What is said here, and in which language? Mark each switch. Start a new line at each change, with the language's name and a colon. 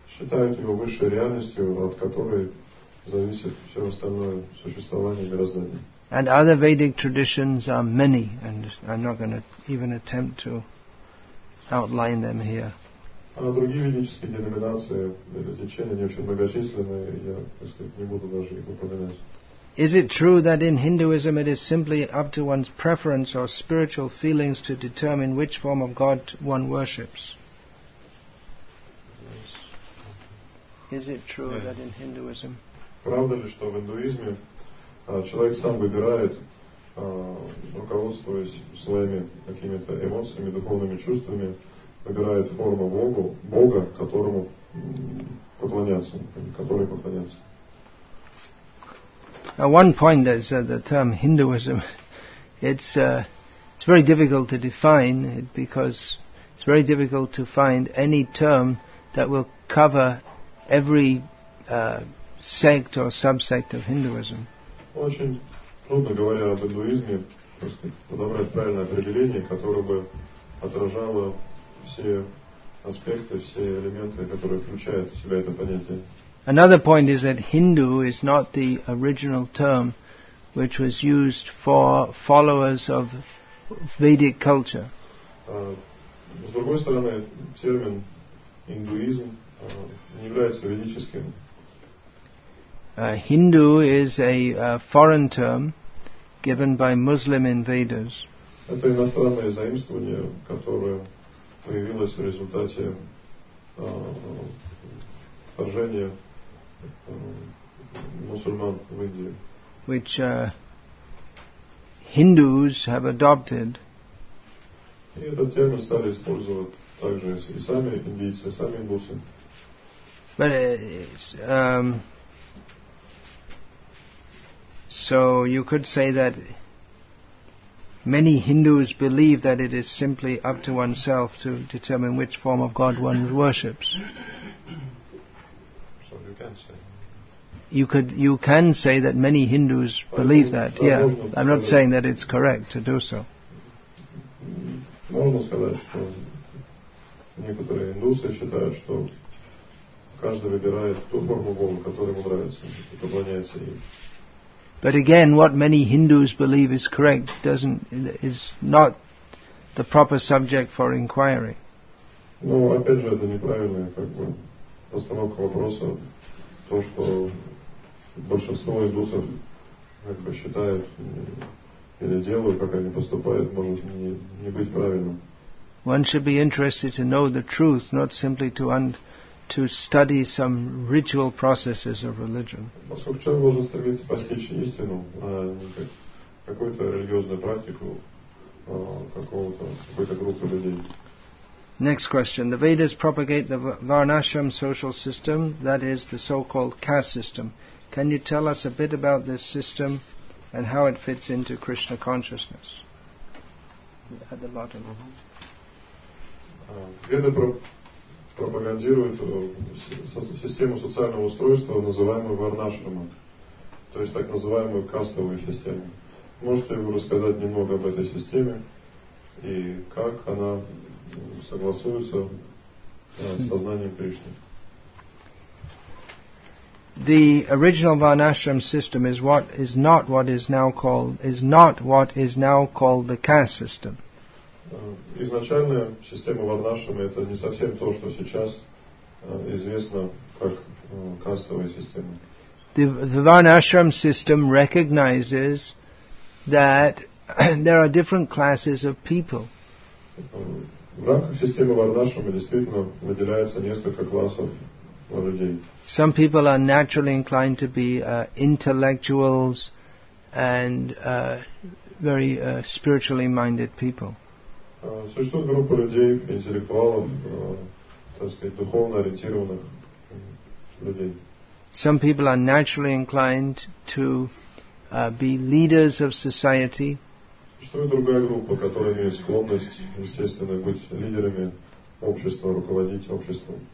Russian: Считают его высшей реальностью, от которой зависит все остальное существование мироздания.
English: And other Vedic traditions are many, and I'm not going to even attempt to outline them here.
Russian: Другие ведические деноминации или течения, они очень многочисленные, я, так сказать, не буду даже их упоминать.
English: Is it true that in Hinduism it is simply up to one's preference or spiritual feelings to determine which form of God one worships? Is it true that in Hinduism?
Russian: Правда ли, что в индуизме человек сам выбирает, руководствуясь своими какими-то эмоциями, духовными чувствами, выбирает форму Бога, которому поклоняться, который поклоняться?
English: At one point, there's the term Hinduism. It's very difficult to define it because it's very difficult to find any term that will cover every sect or subsect of Hinduism.
Russian: Очень трудно говоря об индуизме, подобрать правильное определение, которое бы отражало все аспекты, все элементы, которые включают в себя это понятие.
English: Another point is that Hindu is not the original term which was used for followers of Vedic culture.
Russian: С другой стороны, термин индуизм не является ведическим.
English: Hindu is a foreign term given by Muslim invaders.
Russian: Это иностранное заимствование, которое появилось в результате вторжения мусульман в Индии.
English: Which Hindus have adopted.
Russian: И этот термин стали использовать также и сами индийцы, и сами индусы.
English: But it's, so you could say that many Hindus believe that it is simply up to oneself to determine which form of God one worships. So you can say. You can say that many Hindus believe that. Yeah, I'm not saying that it's correct to do so.
Russian: Можно сказать, что некоторые индусы считают, что каждый выбирает ту форму Бога, которая ему нравится, и поклоняется ей.
English: But again, what many Hindus believe is correct is not the proper subject for inquiry.
Russian: Ну, опять же, это неправильная постановка вопроса, то, что большинство индусов как бы считают или делают, как они поступают, может не быть правильным.
English: One should be interested to know the truth, not simply to study some ritual processes of religion.
Russian: Поскольку человек должен стремиться постичь истину, а не как какую-то религиозную практику какой-то группы людей.
English: Next question. The Vedas propagate the Varnashram social system, that is the so-called caste system. Can you tell us a bit about this system and how it fits into Krishna consciousness? At the bottom.
Russian: Веды пропагандируют систему социального устройства, называемую Варнашрама, то есть так называемую кастовую систему. Можете ли вы рассказать немного об этой системе и как она согласуется с сознанием Кришны?
English: The original Varnashram system is what is not what is now called is not what is now called the caste system.
Russian: Изначальная система Варнашрама это не совсем то, что сейчас известно как кастовая система.
English: The Varnashram system recognizes that there are different classes of people.
Russian: В рамках системы Варнашрама действительно выделяется несколько классов.
English: Some people are naturally inclined to be intellectuals and very spiritually minded people.
Russian: Существует группа людей, интеллектуалов, так сказать, духовно ориентированных людей.
English: Some people are naturally inclined to be leaders of society.
Russian: Существует другая группа, которая имеет склонность, естественно, быть лидерами общества, руководить обществом.